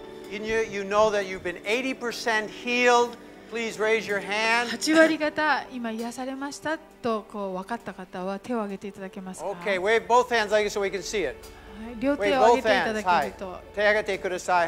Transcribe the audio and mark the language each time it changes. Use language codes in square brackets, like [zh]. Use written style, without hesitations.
[en] you know that you've been 80% healed. Please raise your hand. [ja] 8割方今癒されましたとこう分かった方は手を挙げていただけますか。 [en] Okay, wave both hands like so we can see it. [ja] 両手を挙げていただけると。はい、手を挙げてください。